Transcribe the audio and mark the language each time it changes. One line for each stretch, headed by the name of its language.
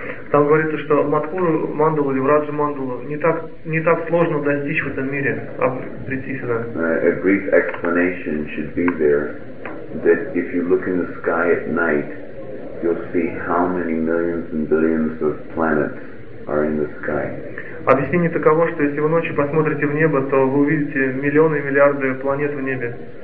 Russian: Там говорится, что Мадхуру Мандалу или Врадж Мандалу не так сложно достичь в этом мире, а прийти сюда.
English: A brief explanation should be there that if you look in the sky at night, you'll see how many millions and billions of planets are in the sky.
Russian: Объяснение таково, что если вы ночью посмотрите в небо, то вы увидите миллионы и миллиарды планет в небе.